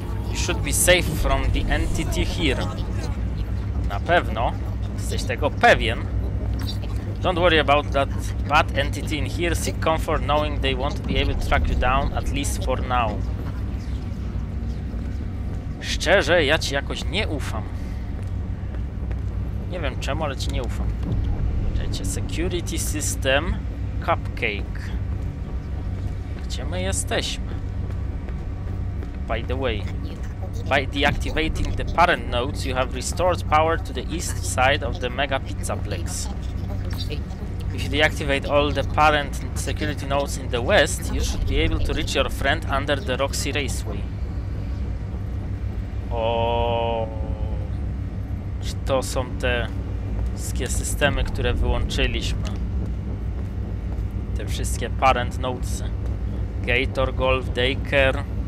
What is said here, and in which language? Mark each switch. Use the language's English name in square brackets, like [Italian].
[English] You should be safe from the entity here. [Polish] Na pewno. Jesteś tego pewien. [English] Don't worry about that bad entity in here. Seek comfort knowing they won't be able to track you down, at least for now. [Polish] Szczerze, ja ci jakoś nie ufam. Nie wiem czemu, ale ci nie ufam. Czekajcie, [English] security system cupcake. [Polish] Gdzie my jesteśmy? [English] By the way, by deactivating the parent nodes, you have restored power to the east side of the mega pizzaplex. If you deactivate all the parent security nodes in the west, you should be able to reach your friend under the Roxy Raceway. [Polish] O, czy to są te wszystkie systemy, które wyłączyliśmy? Te wszystkie parent nodes. Gator, Golf, Daycare.